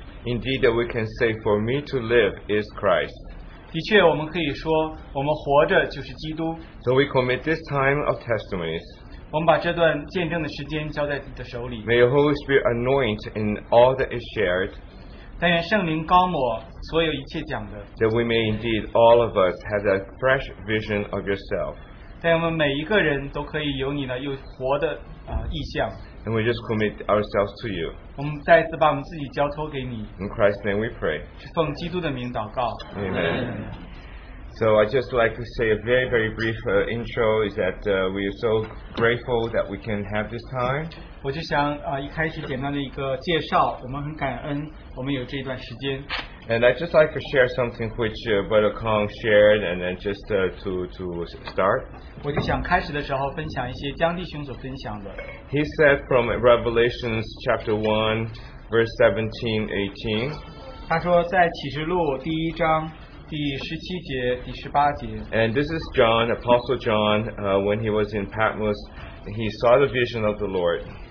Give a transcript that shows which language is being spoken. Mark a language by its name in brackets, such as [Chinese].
[English] Indeed, that we can say, for me to live is Christ. [Chinese] 的确，我们可以说，我们活着就是基督。 [English] So we commit this time of testimonies. [Chinese] 我们把这段见证的时间交在你的手里。 [English] May your Holy Spirit anoint in all that is shared. [Chinese] 但愿圣灵膏抹所有一切讲的。 [English] That we may indeed all of us have a fresh vision of yourself. [Chinese] 但愿我们每一个人都可以有你的又活的。 [English] And we just commit ourselves to you. [Chinese] 我们再次把我们自己交托给你。 [English] In Christ's name we pray. [Chinese] 是奉基督的名祷告。 [English] Amen. So I'd just like to say a very, very brief intro is that we are so grateful that we can have this time. [Chinese] 我就想, 一开始简单的一个介绍, 我们很感恩, 我们有这一段时间。 [English] And I'd just like to share something which Brother Kong shared and then just to start. [Chinese] 我就想开始的时候分享一些江弟兄所分享的。 [English] He said from Revelation chapter 1, verse 17-18. [Chinese] 他说在启示录第一章第十七节第十八节。 [English] And this is John, Apostle John, when he was in Patmos, he saw the vision of the Lord.